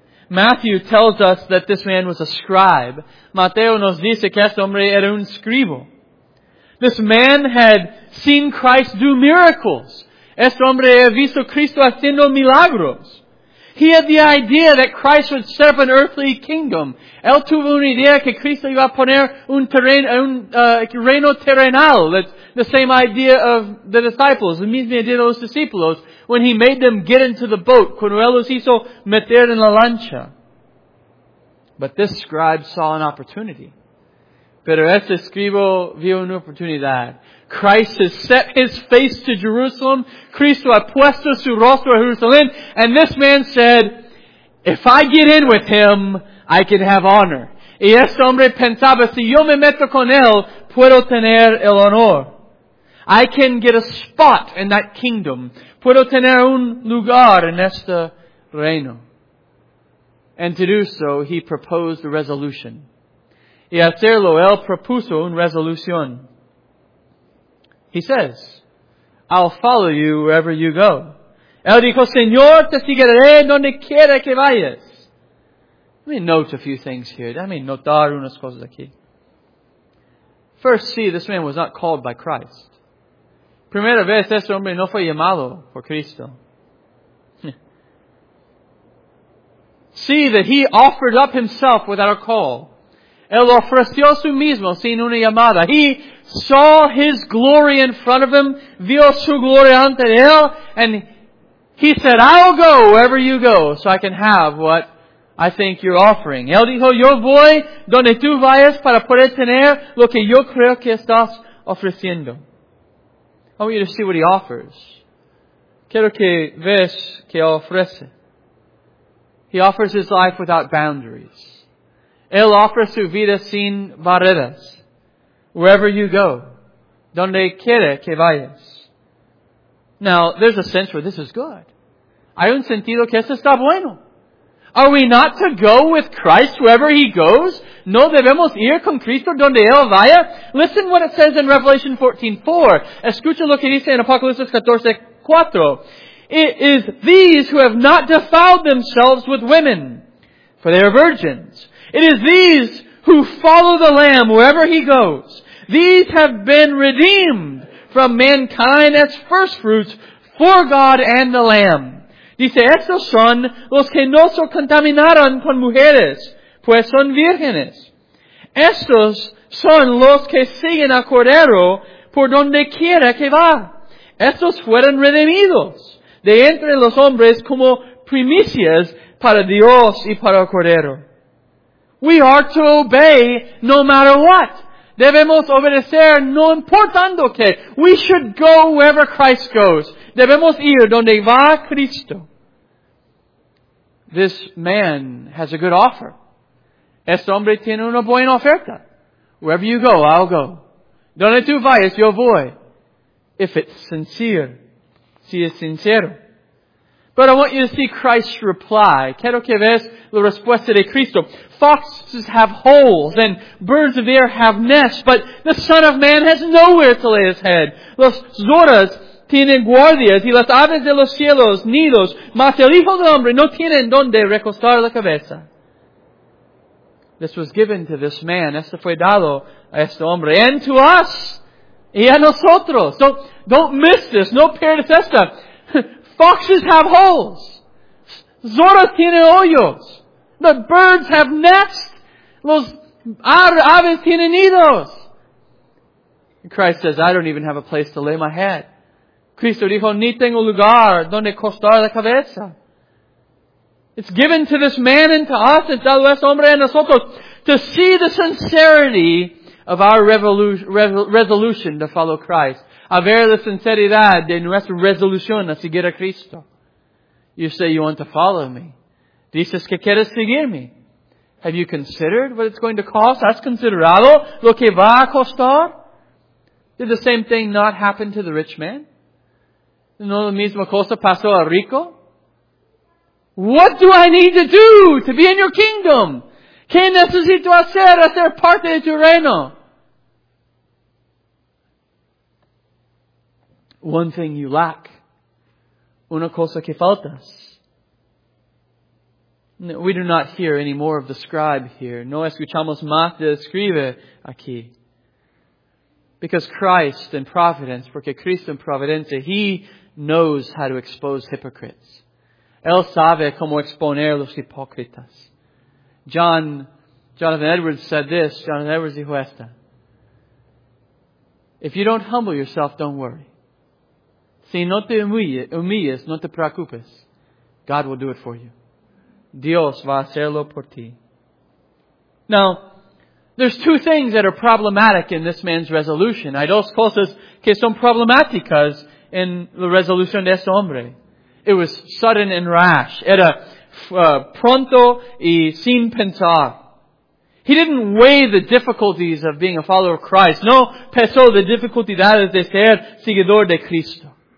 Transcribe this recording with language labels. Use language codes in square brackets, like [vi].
[en] Matthew tells us that this man was a scribe. [es] Mateo nos dice que este hombre era un escribo. [en] This man had seen Christ do miracles. [es] Este hombre había visto Cristo haciendo milagros. [en] He had the idea that Christ would set up an earthly kingdom. [es] Él tuvo una idea que Cristo iba a poner un reino terrenal. [en] That's the same idea of the disciples, the [es] misma idea de los discípulos, [en] when he made them get into the boat, [es] cuando él los hizo meter en la lancha. [en] But this scribe saw an opportunity. [es] Pero este escribo vio una oportunidad. [en] Christ has set his face to Jerusalem. [es] Cristo ha puesto su rostro a Jerusalén. [en] And this man said, if I get in with him, I can have honor. [es] Y este hombre pensaba, si yo me meto con él, puedo tener el honor. [en] I can get a spot in that kingdom. [es] Puedo tener un lugar en este reino. [en] And to do so, he proposed a resolution. [es] Y hacerlo, él propuso una resolución. [en] He says, I'll follow you wherever you go. [es] Él dijo, Señor, te seguiré donde quiera que vayas. [en] Let me note a few things here. Let me [es] notar unas cosas aquí. [en] First, see, this man was not called by Christ. [es] Primera vez, este hombre no fue llamado por Cristo. [en] See that he offered up himself without a call. [es] Él ofreció su mismo sin una llamada. [en] He saw his glory in front of him, [es] vio su gloria ante él, [en] and he said, I'll go wherever you go so I can have what I think you're offering. [es] Él dijo, yo voy donde tú vayas para poder tener lo que yo creo que estás ofreciendo. [en] I want you to see what he offers. [es] Quiero que veas que ofrece. [en] He offers his life without boundaries. [es] Él ofrece su vida sin barreras. [en] Wherever you go, [es] donde quiera que vayas. [en] Now, there's a sense where this is good. [es] Hay un sentido que esto está bueno. [en] Are we not to go with Christ wherever He goes? [es] No debemos ir con Cristo donde Él vaya? [en] Listen what it says in Revelation 14:4. [es] Escucha lo que dice en Apocalipsis 14:4. [en] It is these who have not defiled themselves with women, for they are virgins. It is these who follow the Lamb wherever He goes. These have been redeemed from mankind as first fruits for God and the Lamb. [es] Dice, estos son los que no se contaminaron con mujeres, pues son vírgenes. Estos son los que siguen a Cordero por donde quiera que va. Estos fueron redimidos de entre los hombres como primicias para Dios y para Cordero. [en] We are to obey no matter what. [es] Debemos obedecer no importando qué. [en] We should go wherever Christ goes. [es] Debemos ir donde va Cristo. [en] This man has a good offer. [es] Este hombre tiene una buena oferta. [en] Wherever you go, I'll go. [es] Donde tú vayas, yo voy. [en] If it's [es] sincere. Si es sincero. [en] But I want you to see Christ's reply. [es] Quiero que veas la respuesta de Cristo. [en] Foxes have holes and birds of the air have nests, but the Son of Man has nowhere to lay his head. [es] Los zorras tienen guardias y las aves de los cielos nidos, mas el Hijo del Hombre no tiene en donde recostar la cabeza. [en] This was given to this man. [es] Esto fue dado a este hombre. [en] And to us. [es] Y a nosotros. [en] Don't miss this. [es] No pierdas esta. [en] Foxes have holes. [es] Zorras tienen hoyos. [en] The birds have nests. [es] Los aves tienen nidos. [en] And Christ says, I don't even have a place to lay my head. [es] Cristo dijo, ni tengo lugar donde costar la cabeza. [en] It's given to this man and to us, and [es] dado este hombre a nosotros, [en] to see the sincerity of our resolution to follow Christ. [es] A ver la sinceridad de nuestra resolución a seguir a Cristo. [en] You say you want to follow me. [es] Dices que quieres seguirme. [en] Have you considered what it's going to cost? [es] ¿Has considerado lo que va a costar? [en] Did the same thing not happen to the rich man? [es] ¿No la misma cosa pasó al rico? [en] What do I need to do to be in your kingdom? [es] ¿Qué necesito hacer a ser parte de tu reino? [en] One thing you lack. [es] Una cosa que faltas. [en] We do not hear any more of the scribe here. [es] No escuchamos más de escribe aquí. [en] Because Christ in providence, [es] porque Cristo en providencia, [en] He knows how to expose hypocrites. [es] Él sabe cómo exponer los hipócritas. [en] Jonathan Edwards said this. Jonathan Edwards [es] dijo esta. [en] If you don't humble yourself, don't worry. [es] Si no te humillas, no te preocupes. [en] God will do it for you. [es] Dios va a hacerlo por ti. [en] Now, there's two things that are problematic in this man's resolution. [es] Hay dos cosas que son problemáticas en la resolución de este hombre. It was sudden and rash. Era pronto y sin pensar. [en] He didn't weigh the difficulties of being a follower of Christ. [es] No pesó la dificultad de ser seguidor de Cristo.